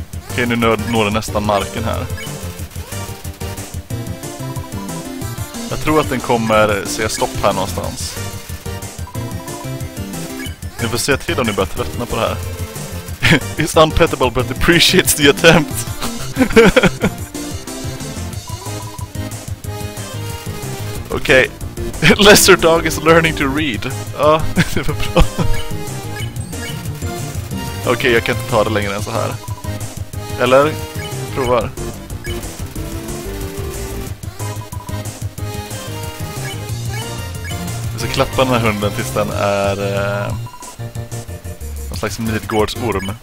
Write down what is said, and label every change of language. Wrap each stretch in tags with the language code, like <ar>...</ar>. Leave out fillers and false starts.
<sv>Okej, nu når det nästan marken här. Jag tror att den kommer säga stopp här någonstans. Ni får se till om ni börjar tröttna på det här.</sv> <en>It's unpettable, but appreciates the attempt. Okay, lesser dog is learning to read.</en> <sv>Ah, det var bra. Okay, jag kan inte ta det längre än så här. Eller? Provar. Vi ska klappa den här hunden tills den är någon slags midgårdsorm.</sv>